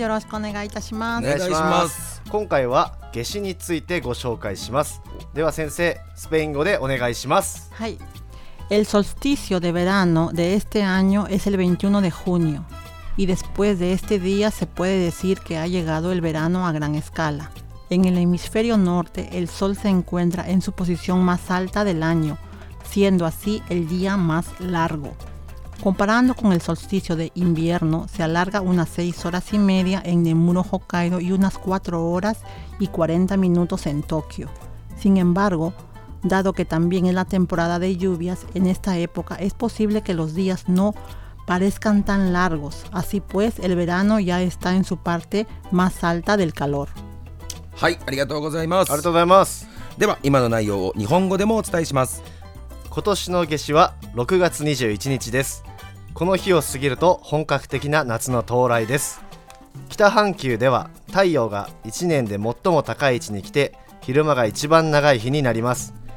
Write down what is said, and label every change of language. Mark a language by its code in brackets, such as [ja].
[ja] よろしくお願いいたします。お願いします。今回は夏至についてご紹介します。では先生、スペイン語でお願いします。はい。 [es] El solsticio de verano de este año es el 21 de junio y después de este día se puede decir que ha llegado el verano a gran escala. En el hemisferio norte el sol se encuentra en su posición más alta del año, siendo así el día más largo. Comparando con el solsticio de invierno, se alarga unas 6 horas y media en Nemuro, Hokkaido y unas 4 horas y 40 minutos en Tokio. Sin embargo, dado que también es la temporada de lluvias, en esta época es posible que los días no parezcan tan largos. Así pues, el verano ya está en su parte más alta del calor. [ja] はい、ありがとうございます。ありがとうございます。では、今の内容を日本語でもお伝えします。今年の夏至は6月21日です。この日を過ぎると本格的な夏の到来です。北半球では太陽が1年で最も高い位置に来て、昼間が一番長い日になります。